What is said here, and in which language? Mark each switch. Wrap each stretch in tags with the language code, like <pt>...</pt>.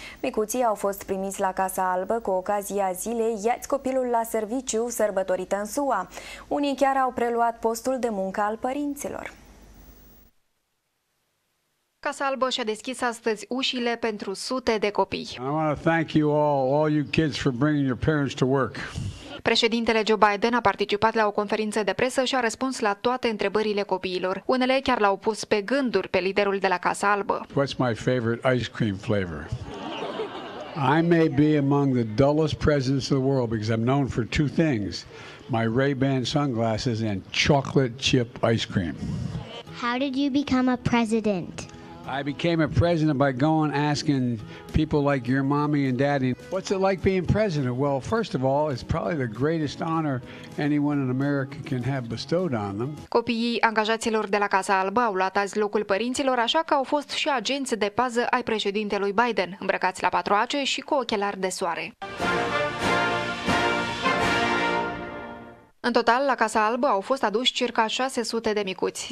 <ro>Micuții au fost primiți la Casa Albă cu ocazia zilei Ia-ți copilul la serviciu, sărbătorită în SUA. Unii chiar au preluat postul de muncă al părinților. Casa Albă și-a deschis astăzi ușile pentru sute de copii. I want to thank you all you kids for bringing your parents to work. Președintele Joe Biden a participat la o conferință de presă și a răspuns la toate întrebările copiilor. Unele chiar l-au pus pe gânduri pe liderul de la Casa Albă.</ro> <en>What's my favorite ice cream flavor? I may be among the dullest presidents of the world because I'm known for two things. my Ray-Ban sunglasses and chocolate chip ice cream. How did you become a president? I became a president by going asking people like your mommy and daddy, what's it like being president? Well, first of all, it's probably the greatest honor anyone in America can have bestowed on them.</en> <ro>Copiii angajaților de la Casa Albă au luat azi locul părinților, așa că au fost și agenți de pază ai președintelui Biden, îmbrăcați la patroace și cu ochelari de soare. În total, la Casa Albă au fost aduși circa 600 de micuți.</ro>